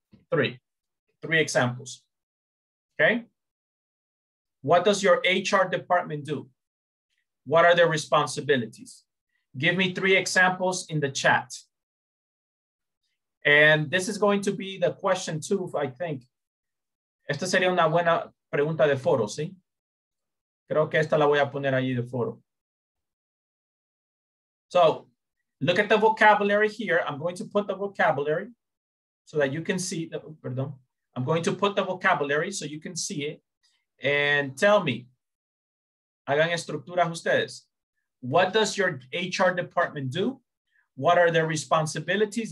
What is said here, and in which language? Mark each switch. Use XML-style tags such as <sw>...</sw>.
<en>Three examples, okay? What does your HR department do? What are their responsibilities? Give me three examples in the chat. And this is going to be the question too, I think.</en> <es>Esta sería una buena pregunta de foro, ¿sí? Creo que esta la voy a poner allí de foro.</es> <en>So, look at the vocabulary here. I'm going to put the vocabulary so that you can see, I'm going to put the vocabulary so you can see it. And tell me,</en> <es>hagan estructuras ustedes.</es> <en>What does your HR department do? What are their responsibilities?</en>